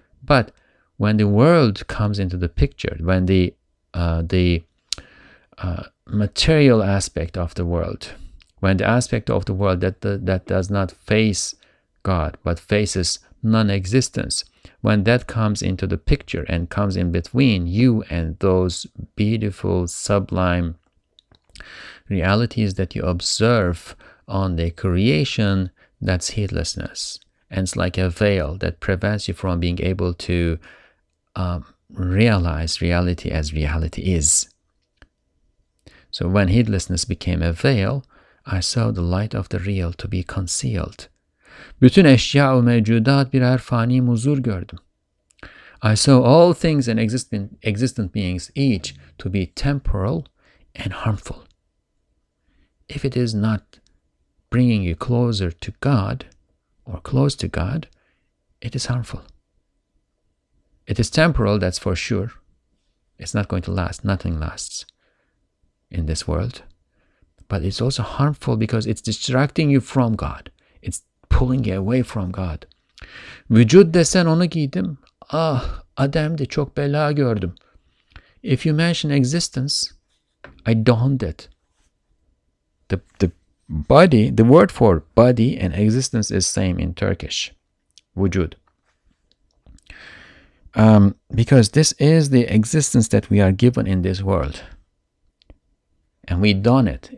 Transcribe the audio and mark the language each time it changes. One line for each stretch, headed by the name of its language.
English: But when the world comes into the picture, when the material aspect of the world, when the aspect of the world that does not face God but faces non-existence, when that comes into the picture and comes in between you and those beautiful, sublime realities that you observe on the creation, that's heedlessness. And it's like a veil that prevents you from being able to realize reality as reality is. So when heedlessness became a veil, I saw the light of the real to be concealed.
Turkish: Bütün eşya ve mevcudat birer fani muzur gördüm.
English: I saw all things and existent beings each to be temporal and harmful. If it is not bringing you closer to God or close to God, it is harmful. It is temporal, that's for sure. It's not going to last. Nothing lasts in this world. But it's also harmful because it's distracting you from God. It's pulling you away from God.
Turkish: Vücud desen onu giydim. Ah, Adem'di çok bela gördüm.
English: If you mention existence, I donned it. The body, the word for body and existence is same in Turkish, vücud. Because this is the existence that we are given in this world. And we don it.